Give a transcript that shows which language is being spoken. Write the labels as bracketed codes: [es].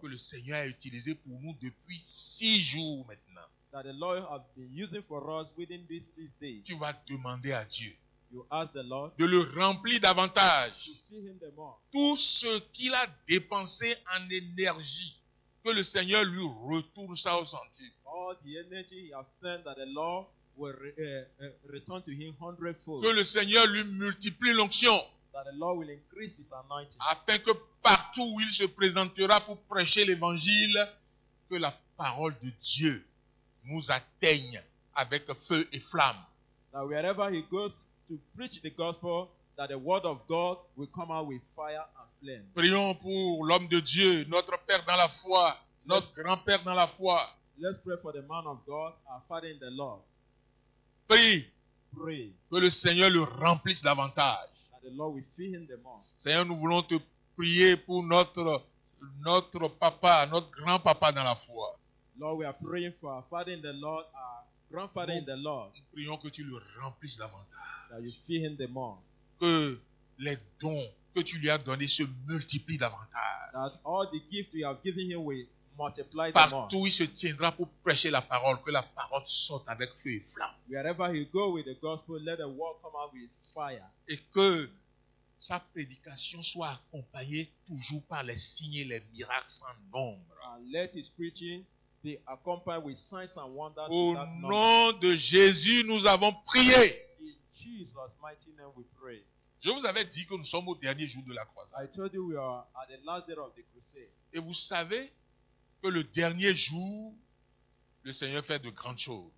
[fr] Que le Seigneur a utilisé pour nous depuis 6 jours maintenant. [en] That the Lord has been using for us within these 6 days. [fr] Tu vas demander à Dieu. [en] You ask the Lord [fr] de le remplir davantage. [en] To fill him the more. [fr] Tout ce qu'il a dépensé en énergie, que le Seigneur lui retourne ça au senti. [en] All the energy he has spent that the Lord will return to him 100-fold. [fr] Que le Seigneur lui multiplie l'onction. [en] That the Lord will increase his anointing. [fr] Afin que partout où il se présentera pour prêcher l'évangile, que la parole de Dieu nous atteigne avec feu et flamme. [en] That wherever he goes to preach the gospel, that the word of God will come out with fire and flame. [fr] Prions pour l'homme de Dieu, notre père dans la foi, notre grand-père dans la foi. [en] Let's pray for the man of God, our father in the Lord. [fr] Prie. Que le Seigneur le remplisse davantage. [en] That the Lord will fill him the more. [fr] Seigneur, nous voulons te prier pour notre papa, notre grand-papa dans la foi. [en] Lord, we are praying for our father in the Lord, our grandfather [fr] nous, [en] in the Lord. [fr] Nous prions que tu le remplisses davantage. [en] That you fill him the more. [fr] Que les dons que tu lui as donnés se multiplient davantage. [en] That all the gifts we have given him will multiply [fr] partout [en] the more. [fr] Partout il se tiendra pour prêcher la parole, que la parole sorte avec feu et flamme. [en] Wherever he go with the gospel, let the word come out with fire. [fr] Et que sa prédication soit accompagnée toujours par les signes et les miracles sans nombre. [en] And let his preaching be accompanied with signs and wonders. [fr] Au nom de Jésus, nous avons prié. [en] In Jesus' mighty name we pray. [fr] Je vous avais dit que nous sommes au dernier jour de la croisade. [en] I told you we are at the last day of the crusade. [fr] Et vous savez que le dernier jour, le Seigneur fait de grandes choses.